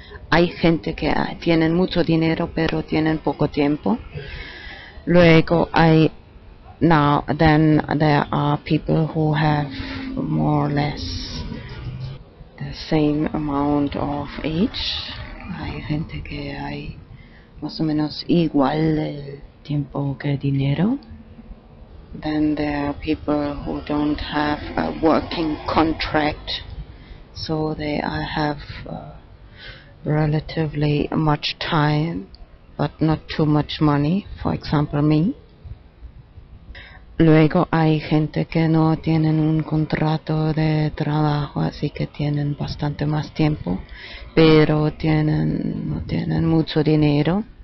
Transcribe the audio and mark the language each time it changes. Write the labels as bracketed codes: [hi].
[es] Hay gente que tienen mucho dinero pero tienen poco tiempo. [en] Then there are people who have more or less the same amount of age. [es] Hay gente que hay más o menos igual el tiempo que dinero. [en] Then there are people who don't have a working contract, so they have relatively much time but not too much money, for example me. [es] Luego hay gente que no tienen un contrato de trabajo, así que tienen bastante más tiempo, pero no tienen mucho dinero.